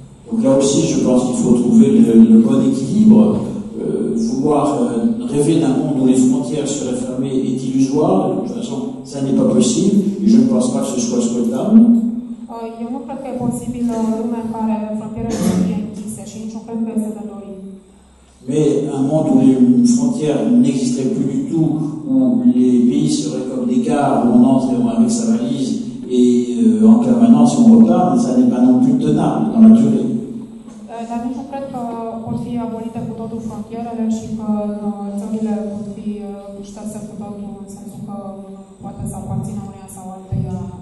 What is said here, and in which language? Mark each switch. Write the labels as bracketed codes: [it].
[fr] Donc là aussi, je pense qu'il faut trouver le bon équilibre. Vouloir rêver d'un monde où les frontières seraient fermées est illusoire. De toute façon, ça n'est pas possible et je ne pense pas que ce soit souhaitable. [ro] Eu nu cred că e posibil o lume în care frontierele să fie închise și nici nu cred că este de dorit. [fr] Mais un monde où les frontières n'existeraient plus du tout, où les pays seraient comme des gares où on entre avec sa valise et en permanence on repart, ça n'est pas non plus tenable dans la durée. [ro] Dar nici nu cred că pot fi abolite cu totul frontierele și că țările pot fi șterse cu totul în sensul că poate să aparțină unia sau alte ea.